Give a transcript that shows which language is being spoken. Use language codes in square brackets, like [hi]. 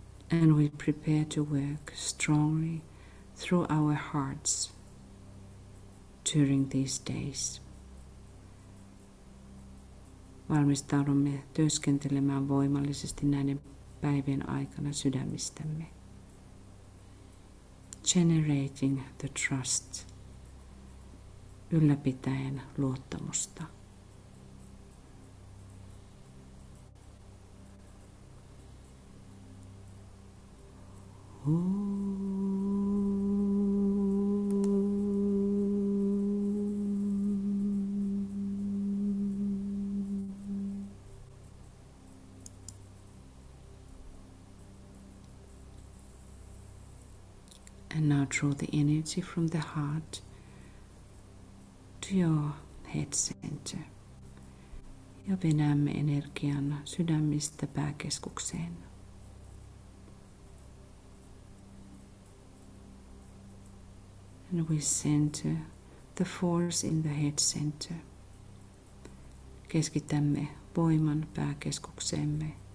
[en] And we prepare to work strongly through our hearts during these days. [fi] Valmistaudumme työskentelemään voimallisesti näiden päivien aikana sydämistämme. [en] Generating the trust, [fi] ylläpitäen luottamusta. [en] And now draw the energy from the heart to your head center. [fi] Ja venäämme energian sydämistä pääkeskukseen. [en] And we center the force in the head center. [fi] Keskitämme voiman pääkeskukseemme.